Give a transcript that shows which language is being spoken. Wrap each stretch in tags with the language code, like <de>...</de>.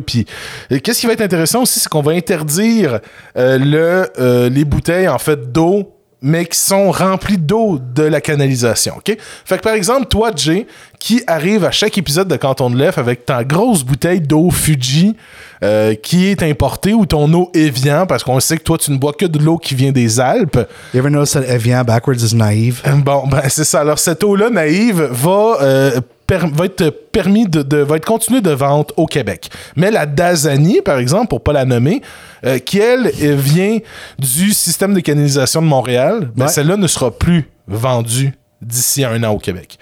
<fr>Puis, qu'est-ce qui va être intéressant aussi, c'est qu'on va interdire les bouteilles, en fait, d'eau, mais qui sont remplies d'eau de la canalisation, OK? Fait que, par exemple, toi, Jay, qui arrive à chaque épisode de Canton de Lef avec ta grosse bouteille d'eau Fuji qui est importée ou ton eau Evian, parce qu'on sait que toi, tu ne bois que de l'eau qui vient des Alpes.</fr> <en>You ever notice that Evian backwards is naïve?</en> <fr>Bon, ben, c'est ça. Alors, cette eau-là naïve va être continué de vente au Québec. Mais la Dasani, par exemple, pour ne pas la nommer, qui, elle, vient du système de canalisation de Montréal, ouais. Ben celle-là ne sera plus vendue d'ici un an au Québec.</fr>